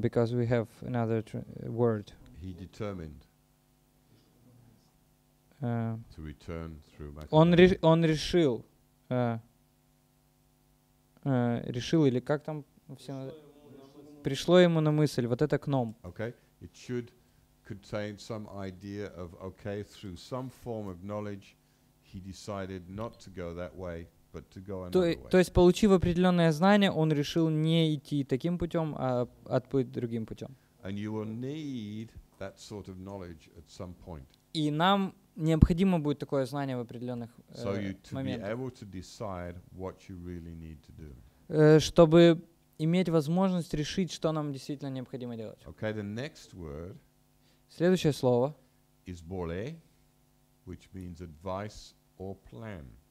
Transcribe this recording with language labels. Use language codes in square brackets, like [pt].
[en] Because we have another word. He determined to return through Macedonia. [ru] Он решил, или как там все пришло ему на мысль, вот это кном. [en] Okay. It should contain some idea of, okay, through some form of knowledge, he decided not to go that way, but to go another way. [ru] То есть, получив определенное знание, он решил не идти таким путем, а отплыть другим путем. [en] And you will need that sort of knowledge at some point. [ru] И нам необходимо будет такое знание в определенных моментах. Чтобы иметь возможность решить, что нам действительно необходимо делать. [en] Okay, the next word. [ru] Следующее слово. [en] Is bole, which means advice or plan.